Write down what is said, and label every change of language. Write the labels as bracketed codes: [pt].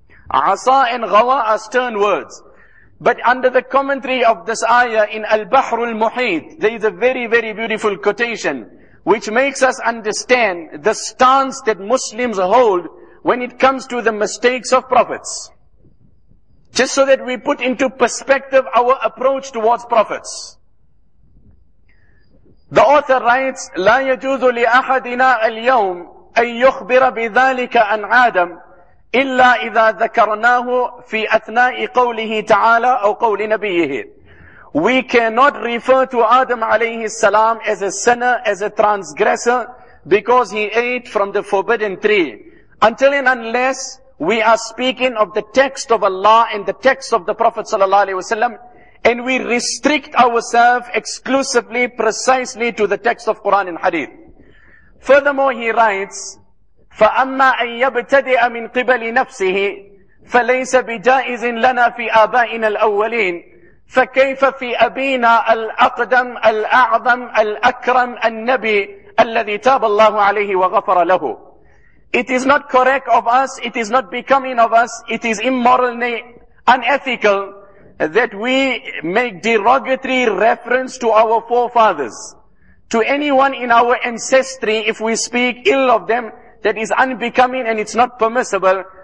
[en] Asa and ghawa are stern words. But under the commentary of this ayah in Al-Bahr al-Muhit, there is a very, very beautiful quotation which makes us understand the stance that Muslims hold when it comes to the mistakes of prophets. Just so that we put into perspective our approach towards prophets. The author writes, [ar] لا يجوز لأحدنا اليوم أن يخبر بذلك عن آدم إلا إذا ذكرناه في أثناء قوله تعالى أو قول نبيه. [en] We cannot refer to Adam alayhi salam as a sinner, as a transgressor, because he ate from the forbidden tree. Until and unless we are speaking of the text of Allah and the text of the Prophet sallallahu alayhi wasallam, and we restrict ourselves exclusively, precisely to the text of Quran and Hadith. Furthermore, he writes, [ar] فَأَمَّا أَن يَبْتَدِئَ مِن قِبَلِ نَفْسِهِ فَلَيْسَ بِجَائِزٍ لَنَا فِي آبَائِنَا الْأَوَّلِينَ فَكَيْفَ فِي أَبِينَا الْأَقْدَمِ الْأَعْظَمِ الْأَكْرَمِ النَّبِيِّ الَّذِي تَابَ اللَّهُ عَلَيْهِ وَغَفَرَ لَهُ. [en] It is not correct of us, it is not becoming of us, it is immoral, unethical, that we make derogatory reference to our forefathers, to anyone in our ancestry, if we speak ill of them, that is unbecoming and it's not permissible.